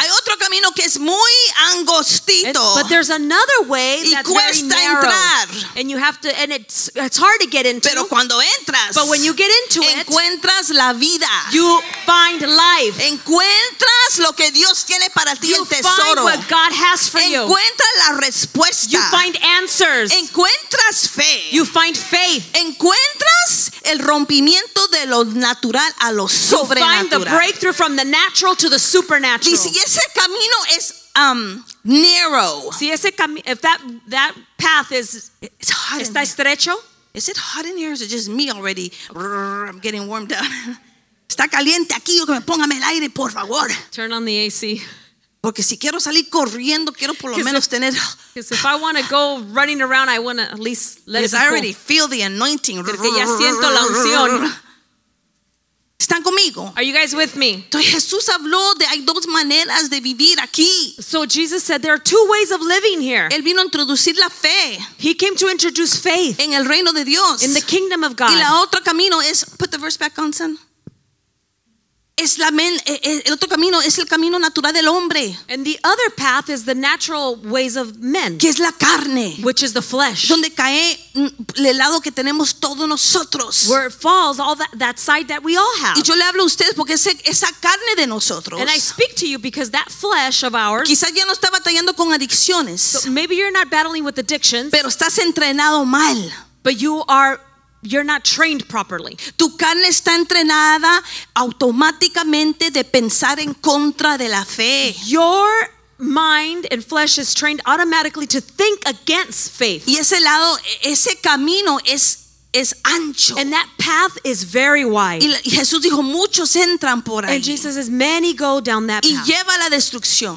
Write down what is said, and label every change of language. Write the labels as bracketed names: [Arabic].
[Spanish] Pero hay otro camino que es muy angostito. [English] But there's another way [Spanish] y [English] that's very narrow. [Spanish] Entrar. [English] And you have to, and it's hard to get into. [Spanish] Pero cuando entras, [English] but when you get into [Spanish] encuentras [English] it, [Spanish] la vida. [English] You find life. [Spanish] Encuentras lo que Dios tiene para ti, [English] you [Spanish] el tesoro. [English] Find what God has for [Spanish] encuentras [English] you. [Spanish] Encuentras la respuesta. [English] You find answers. [Spanish] Encuentras fe. [English] You find faith. [Spanish] Encuentras el rompimiento de lo natural a lo sobrenatural. [English] You find the breakthrough from the natural to the supernatural. [Spanish] Si ese camino es narrow. Si ese camino, [English] if that path is, it's hot. [Spanish] Está [English] in [Spanish] estrecho. [English] Is it hot in here? Or is it just me already? Okay. I'm getting warmed up. [Spanish] Está caliente aquí, yo que me ponga el aire, por favor. [English] Turn on the AC. [Spanish] Porque si quiero salir corriendo, quiero por lo menos tener. [English] Because if I want to go running around, I want to at least let it cool. I already feel the anointing. [Spanish] Porque ya siento la unción. ¿Están conmigo? [English] Are you guys with me? [Spanish] Entonces Jesús habló de hay dos maneras de vivir aquí. [English] So Jesus said there are two ways of living here. [Spanish] Él vino a introducir la fe. [English] He came to introduce faith. [Spanish] En el reino de Dios. [English] In the kingdom of God. [Spanish] Y la otro camino es, [English] put the verse back on, son. [Spanish] Es la men, el otro camino es el camino natural del hombre. [English] And the other path is the natural ways of men. [Spanish] Que es la carne. [English] Which is the flesh. [Spanish] Donde cae el lado que tenemos todos nosotros. [English] Where it falls, all that side that we all have. [Spanish] Y yo le hablo a ustedes porque esa carne de nosotros. [English] And I speak to you because that flesh of ours. [Spanish] Quizás ya no está batallando con adicciones. [English] So maybe you're not battling with addictions. [Spanish] Pero estás entrenado mal. [English] But you're not trained properly. [Spanish] Tu carne está entrenada automáticamente de pensar en contra de la fe. [English] Your mind and flesh is trained automatically to think against faith. [Spanish] Y ese lado, ese camino es ancho. [English] And that path is very wide. [Spanish] Y Jesús dijo, muchos entran por ahí. [English] And Jesus says, many go down that [Spanish] y [English] path. [Spanish] Y lleva a la destrucción.